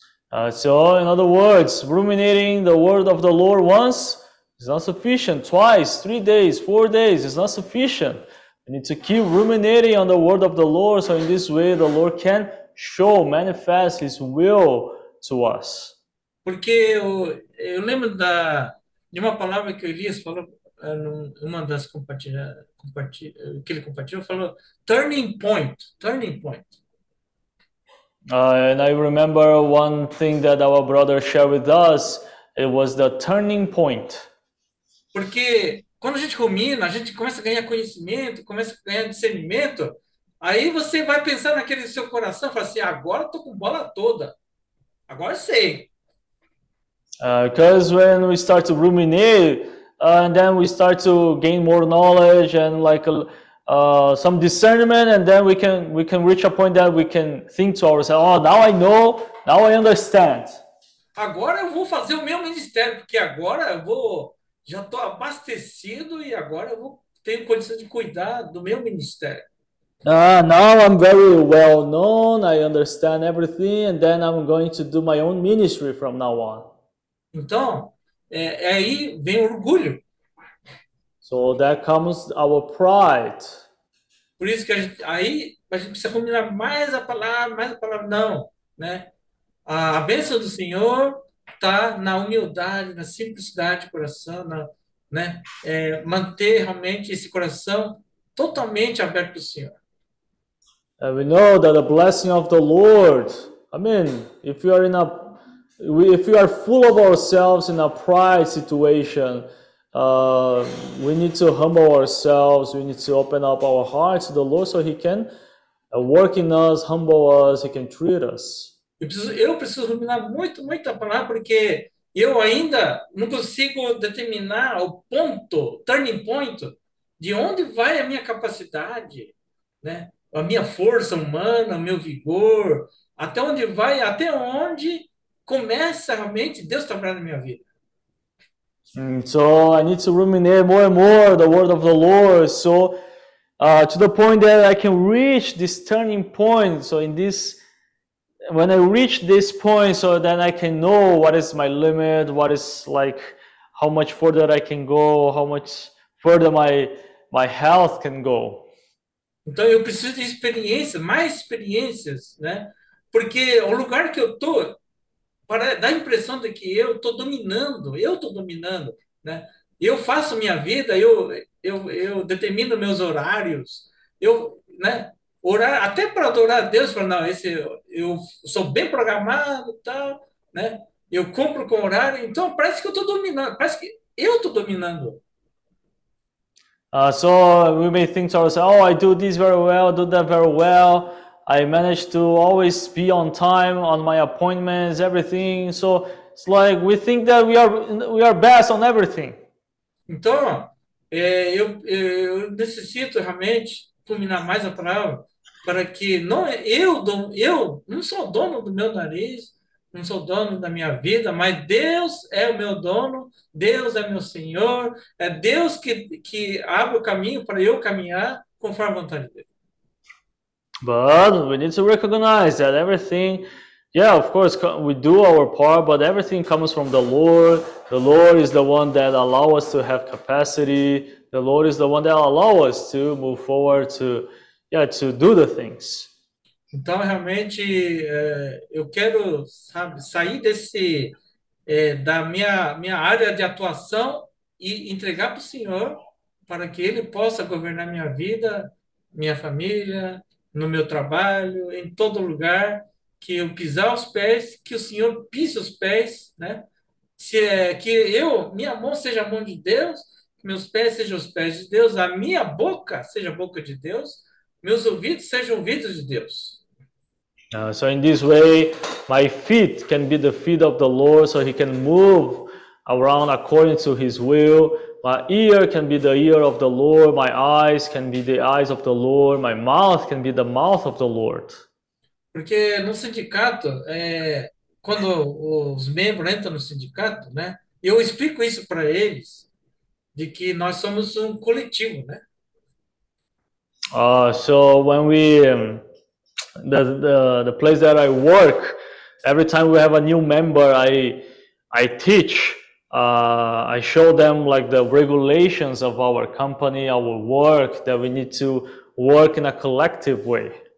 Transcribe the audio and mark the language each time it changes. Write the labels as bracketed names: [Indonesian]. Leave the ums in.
[English] Uh, so, in other words, ruminating the word of the Lord once is not sufficient. Twice, three days, four days is not sufficient. You need to keep ruminating on the word of the Lord so, in this way, the Lord can show, manifest His will to us. [Portuguese] Porque eu, eu lembro da, de uma palavra que o Elias falou uh, das compartilha, compartilha, que ele compartilhou, falou turning point, turning point. [English] Uh, and I remember one thing that our brother shared with us. It was the turning point. [Portuguese] Porque quando a gente rumina, a gente começa a ganhar conhecimento, começa a ganhar discernimento. Aí você vai pensar naquele seu coração, fala assim, agora eu tô com bola toda. Agora sei. [English] Because uh, when we start to ruminate, uh, and then we start to gain more knowledge and like. A, uh, some discernment and then we, can, we can reach a point that we can think to ourselves oh now i know now I understand. [Portuguese] agora eu vou fazer o meu ministério porque agora eu vou já estou abastecido e agora eu vou tenho condição de cuidar do meu ministério [English] ah uh, now i'm very well known i understand everything and then i'm going to do my own ministry from now on [Portuguese] então é, é aí vem o orgulho [English] So that comes our pride. [Portuguese] Por isso que a gente, aí a gente precisa combinar mais a palavra, mais a palavra não, né? A, bênção do Senhor está na humildade, na simplicidade de coração, na, né? É manter realmente esse coração totalmente aberto para o Senhor. [English] And we know that the blessing of the Lord. I mean, if you are in a, if you are full of ourselves in a pride situation. Uh, we need to humble ourselves. We need to open up our hearts to the Lord so He can work in us, humble us, He can treat us. [Portuguese] Eu preciso, eu ruminar muito, muito a palavra, porque eu ainda não consigo determinar o ponto, turning point, de onde vai a minha capacidade, né? a minha força humana, o meu vigor, até onde vai, até onde começa realmente Deus trabalhar na minha vida. [English] So I need to ruminate more and more the word of the Lord. So uh, to the point that I can reach this turning point. So in this, when I reach this point, so then I can know what is my limit, what is like, how much further I can go, how much further my my health can go. [Portuguese] Então eu preciso de experiência, mais experiências, né? Porque o lugar que eu tô para dar a impressão de que eu estou dominando, eu estou dominando, né? Eu faço minha vida, eu eu, eu determino meus horários, eu, né? Horário até para adorar a Deus, para não esse eu, eu sou bem programado, tal, né? Eu cumpro com horário, então parece que eu estou dominando, parece que eu estou dominando. [English] Uh, so we may think to so ourselves, oh, I do this very well, do that very well. I managed to always be on time on my appointments, everything. So it's like we think that we are we are best on everything. [Portuguese] Então, é, eu, eu necessito realmente culminar mais a prova para que não eu don, eu não sou dono do meu nariz, não sou dono da minha vida, mas Deus é o meu dono, Deus é meu Senhor, é Deus que que abre o caminho para eu caminhar conforme a vontade dele. [English] but we need to recognize that everything yeah of course we do our part but everything comes from the lord the lord is the one that allows us to have capacity the lord is the one that allows us to move forward to yeah to do the things [Portuguese] então realmente eh, eu quero sair desse eh, da minha minha área de atuação e entregar para o senhor para que ele possa governar minha vida minha família no meu trabalho, em todo lugar que eu pisar os pés, que o Senhor pise os pés, né? Se é, que eu, minha mão seja a mão de Deus, meus pés sejam os pés de Deus, a minha boca seja a boca de Deus, meus ouvidos sejam ouvidos de Deus. [English] Uh, so in this way, my feet can be the feet of the Lord, so He can move around according to His will. my ear can be the ear of the Lord, my eyes can be the eyes of the Lord, my mouth can be the mouth of the Lord. [Portuguese] Porque no sindicato, quando os membros entram no sindicato, né, eu explico isso para eles, de que nós somos um coletivo, né? [English] Uh, so when we um, the, the the place that I work, every time we have a new member, I I teach uh, I show them like the regulations of our company, our work, that we need to work in a collective way.